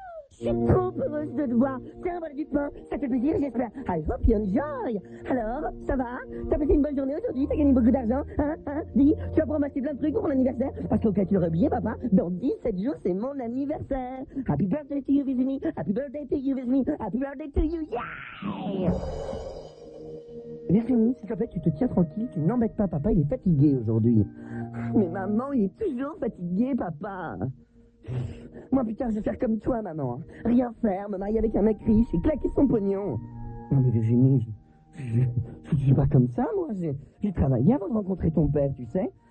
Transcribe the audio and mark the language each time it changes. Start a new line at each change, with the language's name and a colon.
French: Je suis trop heureuse de te voir. Tiens, voilà du pain. Ça fait plaisir, j'espère.
English: I hope you enjoy.
French: Alors, ça va? T'as passé une bonne journée aujourd'hui? T'as gagné beaucoup d'argent? Dis, tu vas pouvoir m'acheter plein de trucs pour mon anniversaire? Parce qu'au cas tu l'aurais oublié, papa, dans 17 jours, c'est mon anniversaire.
English: Happy birthday to you, Virginie. Happy birthday to you, Virginie. Happy birthday to you. Yeah!
French: Merci, mamie, s'il te plaît, tu te tiens tranquille, tu n'embêtes pas papa, il est fatigué aujourd'hui. Mais maman, il est toujours fatigué, papa. Moi, plus tard, je vais faire comme toi, maman. Rien faire, me marier avec un mec riche et claquer son pognon. Non, mais Virginie, je suis pas comme ça, moi. J'ai travaillé avant de rencontrer ton père, tu sais.